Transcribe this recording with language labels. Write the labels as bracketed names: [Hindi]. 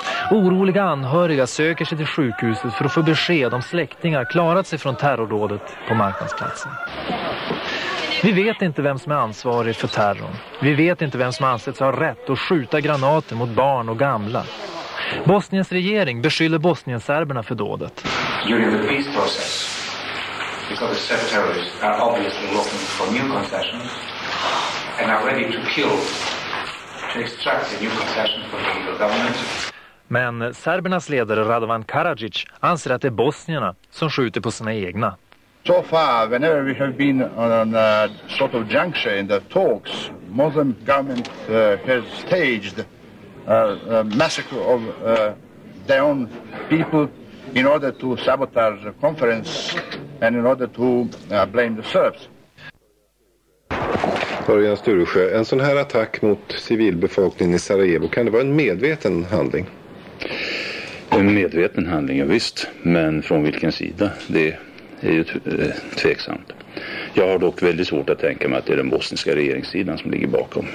[Swedish] Oroliga anhöriga söker sig till sjukhuset för att få besked om släktingar klarat sig från terrorrådet på marknadsplatsen. Vi vet inte vem som är ansvarig för terrorn. Vi vet inte vem som anses ha rätt att skjuta granater mot barn och gamla. Bosniens regering beskyller bosnienserberna för dådet. [English] During the peace process, because the terrorists are obviously looking for new concessions. And are ready to kill, to extract a new concession from the federal government. [Swedish] Men serbernas ledare Radovan Karadzic anser att det är bosnierna som skjuter på sina egna. [English] So far, whenever we have been on a sort of juncture in the talks, Muslim government has staged a massacre of their own people in order to sabotage the conference and in order to blame the Serbs. [Swedish] Örjan Sturesjö, en sån här attack mot civilbefolkningen i Sarajevo, kan det vara en medveten handling? En medveten handling, ja visst. Men från vilken sida? Det är ju tveksamt. Jag har dock väldigt svårt att tänka mig att det är den bosniska regeringssidan som ligger bakom.